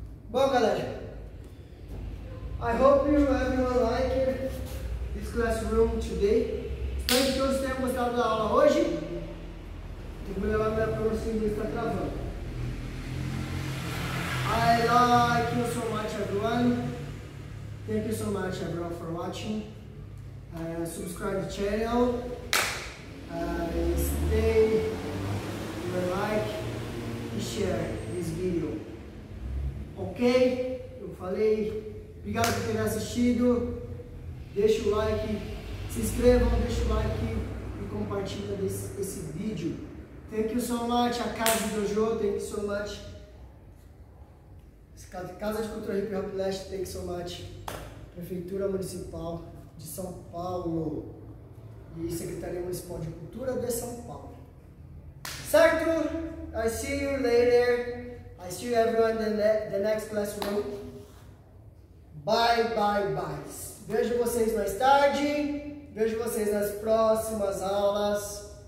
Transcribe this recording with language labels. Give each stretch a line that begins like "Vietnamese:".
Portuguese: Bom, galera,
English: I hope you everyone like this classroom today.
Portuguese: Espero que todos tenham gostado da aula hoje. E vou levar minha promoção que está travando.
English: I like you so much, everyone. Thank you so much, everyone, for watching. Subscribe the channel. Stay, give a like e share this video. Ok?
Portuguese: Eu falei. Obrigado por ter assistido. Deixa o like, se inscrevam, deixa o like e compartilha esse vídeo.
English: Thank you so much, a Casa do Jojo, thank you so much. Casa de Cultura Hip Hop Leste, thank you so much. Prefeitura Municipal de São Paulo.
Portuguese: E Secretaria Municipal de Cultura de São Paulo. Certo?
English: I see you later. I see you everyone in the next classroom. Bye, bye, bye.
Portuguese: Vejo vocês mais tarde. Vejo vocês nas próximas aulas.